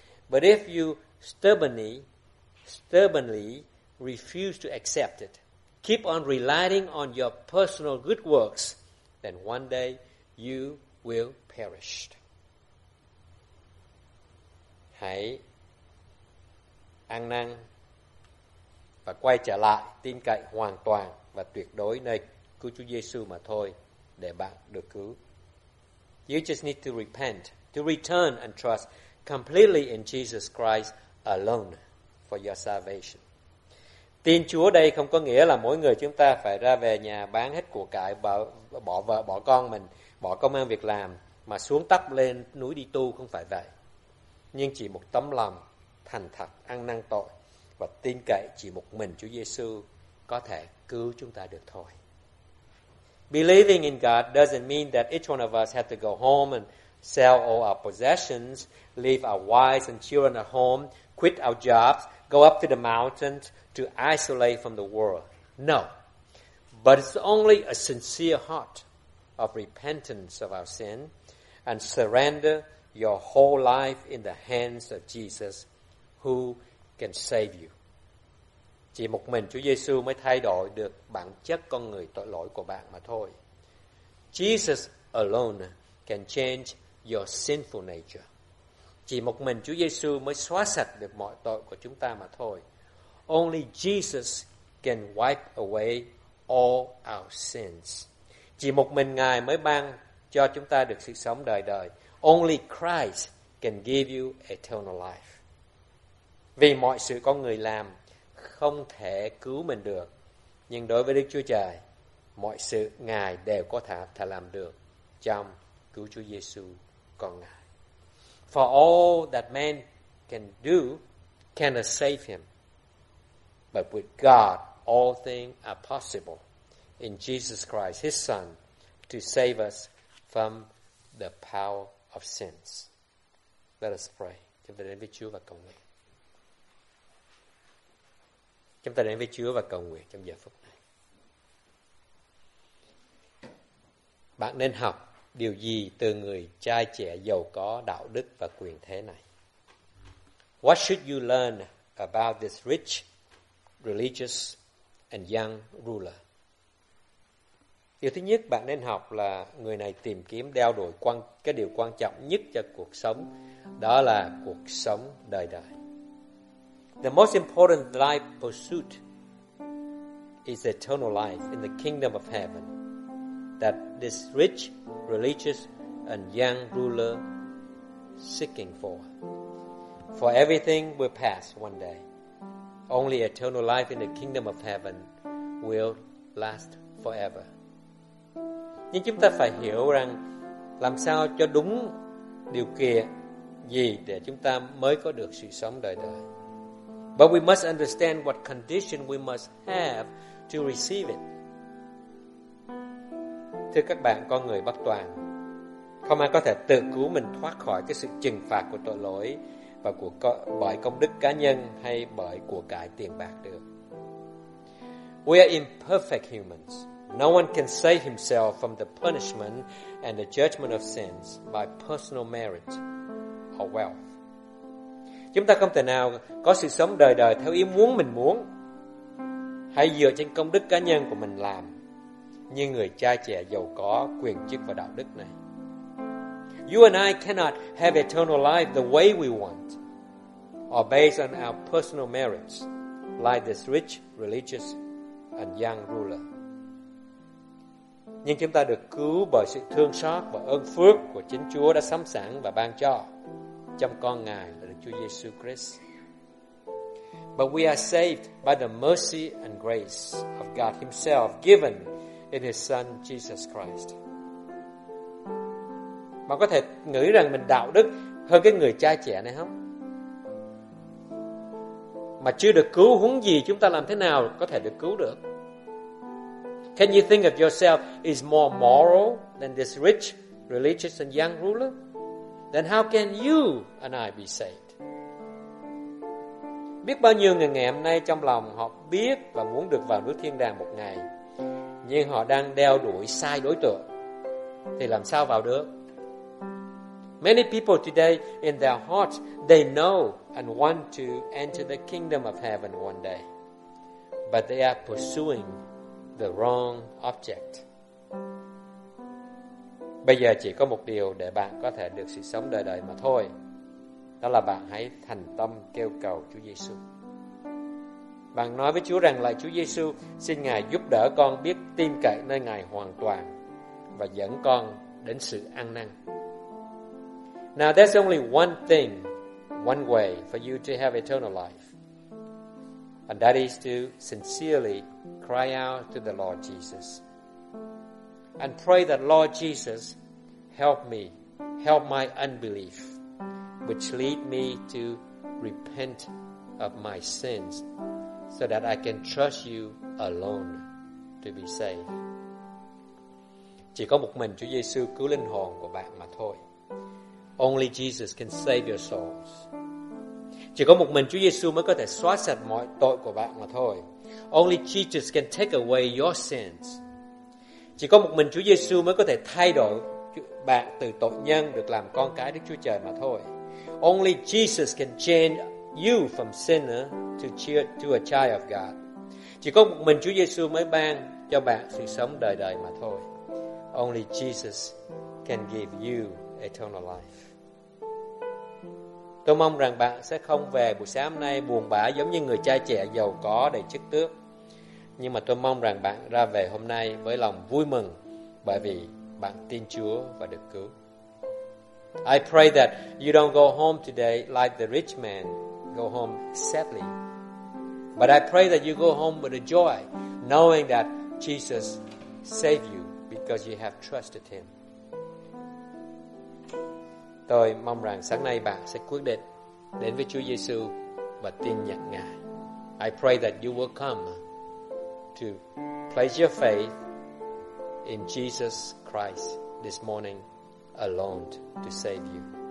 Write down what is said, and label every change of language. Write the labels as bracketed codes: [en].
[en] But if you stubbornly refuse to accept it, keep on relying on your personal good works, then one day you will perish. [vi] Hãy ăn năn và quay trở lại tin cậy hoàn toàn và tuyệt đối nơi cứu Chúa Giêsu mà thôi để bạn được cứu. [en] You just need to repent, to return and trust completely in Jesus Christ alone for your salvation. [vi] Tin Chúa đây không có nghĩa là mỗi người chúng ta phải ra về nhà bán hết của cải, bỏ vợ, bỏ con mình, bỏ công ăn việc làm mà xuống tóc lên núi đi tu, không phải vậy. Nhưng chỉ một tấm lòng thành thật, ăn năn tội và tin cậy chỉ một mình Chúa Giêsu có thể cứu chúng ta được thôi. [en] Believing in God doesn't mean that each one of us have to go home and sell all our possessions, leave our wives and children at home, quit our jobs, go up to the mountains to isolate from the world. No. But it's only a sincere heart of repentance of our sin and surrender your whole life in the hands of Jesus, who can save you. [vi] Chỉ một mình Chúa Giêsu mới thay đổi được bản chất con người tội lỗi của bạn mà thôi. [en] Jesus alone can change your sinful nature. [vi] Chỉ một mình Chúa Giêsu mới xóa sạch được mọi tội của chúng ta mà thôi. [en] Only Jesus can wipe away all our sins. [vi] Chỉ một mình Ngài mới ban cho chúng ta được sự sống đời đời. [en] Only Christ can give you eternal life. [vi] Vì mọi sự con người làm không thể cứu mình được, nhưng đối với Đức Chúa Trời, mọi sự Ngài đều có thể làm được trong cứu Chúa Giêsu con Ngài. [en] For all that man can do cannot save him. But with God, all things are possible in Jesus Christ, His Son, to save us from the power of sins. Let us pray. [vi] Chúng ta đến với Chúa và cầu nguyện. Chúng ta đến với Chúa và cầu nguyện trong giờ phút này. Bạn nên học điều gì từ người trai trẻ giàu có đạo đức và quyền thế này? [en] What should you learn about this rich, religious and young ruler? [vi] Điều thứ nhất bạn nên học là người này tìm kiếm đeo đuổi cái điều quan trọng nhất cho cuộc sống, đó là cuộc sống đời đời. [en] The most important life pursuit is eternal life in the kingdom of heaven that this rich, religious, and young ruler seeking for. For everything will pass one day. Only eternal life in the kingdom of heaven will last forever. [vi] Nhưng chúng ta phải hiểu rằng làm sao cho đúng điều kiện gì để chúng ta mới có được sự sống đời đời. [en] But we must understand what condition we must have to receive it. [vi] Thưa các bạn, con người bất toàn, không ai có thể tự cứu mình thoát khỏi cái sự trừng phạt của tội lỗi và bởi công đức cá nhân hay bởi của cải tiền bạc được. [en] We are imperfect humans. No one can save himself from the punishment and the judgment of sins by personal merit or wealth. [vi] Chúng ta không thể nào có sự sống đời đời theo ý muốn mình muốn hay dựa trên công đức cá nhân của mình làm như người cha trẻ giàu có quyền chức và đạo đức này. [en] You and I cannot have eternal life the way we want or based on our personal merits like this rich, religious and young ruler. [vi] Nhưng chúng ta được cứu bởi sự thương xót và ơn phước của chính Chúa đã sắm sẵn và ban cho trong con Ngài là Đức Chúa Giêsu Christ. [en] But we are saved by the mercy and grace of God Himself given in His Son Jesus Christ. [vi] Bạn có thể nghĩ rằng mình đạo đức hơn cái người cha trẻ này không? Mà chưa được cứu huống gì chúng ta làm thế nào có thể được cứu được? [en] Can you think of yourself is more moral than this rich, religious and young ruler? Then how can you and I be saved? [vi] Biết bao nhiêu người ngày hôm nay trong lòng họ biết và muốn được vào nước thiên đàng một ngày, nhưng họ đang đeo đuổi sai đối tượng. thì làm sao vào được? [en] Many people today in their hearts, they know and want to enter the kingdom of heaven one day, but they are pursuing the wrong object. [vi] Bây giờ chỉ có một điều để bạn có thể được sự sống đời đời mà thôi. Đó là bạn hãy thành tâm kêu cầu Chúa Giêsu. Bạn nói với Chúa rằng là Chúa Giêsu, xin Ngài giúp đỡ con biết tin cậy nơi Ngài hoàn toàn và dẫn con đến sự ăn năn. [en] Now there's only one thing, one way for you to have eternal life. And that is to sincerely cry out to the Lord Jesus. And pray that Lord Jesus, help me, help my unbelief, which lead me to repent of my sins, so that I can trust you alone to be saved. [vi] Chỉ có một mình Chúa Giêsu cứu linh hồn của bạn mà thôi. [en] Only Jesus can save your souls. [vi] Chỉ có một mình Chúa Giêsu mới có thể xóa sạch mọi tội của bạn mà thôi. [en] Only Jesus can take away your sins. [vi] Chỉ có một mình Chúa Giêsu mới có thể thay đổi bạn từ tội nhân được làm con cái Đức Chúa Trời mà thôi. [en] Only Jesus can change you from sinner to a child of God. [vi] Chỉ có một mình Chúa Giêsu mới ban cho bạn sự sống đời đời mà thôi. [en] Only Jesus can give you eternal life. [vi] Tôi mong rằng bạn sẽ không về buổi sáng hôm nay buồn bã giống như người cha trẻ giàu có đầy chức tước. Nhưng mà tôi mong rằng bạn ra về hôm nay với lòng vui mừng bởi vì bạn tin Chúa và được cứu. [en] I pray that you don't go home today like the rich man, go home sadly. But I pray that you go home with a joy, knowing that Jesus saved you because you have trusted him. [vi] Tôi mong rằng sáng nay bạn sẽ quyết định đến với Chúa Giêsu và tin nhận Ngài. [en] I pray that you will come to place your faith in Jesus Christ this morning alone to save you.